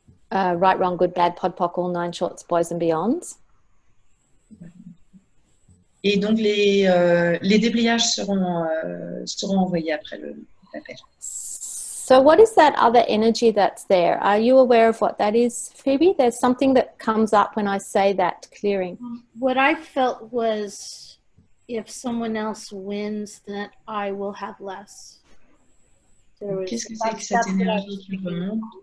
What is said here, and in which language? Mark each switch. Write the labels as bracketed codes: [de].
[en] Right, wrong, good, bad, pod, poc, all nine shorts, boys and beyonds. [fr] Et donc les déblayages seront envoyés après l'appel. [en] So what is that other energy that's there? Are you aware of what that is, Phoebe? There's something that comes up when I say that clearing. What I felt was if someone else wins, that I will have less. [fr] Qu'est-ce que c'est que cette énergie qui remonte?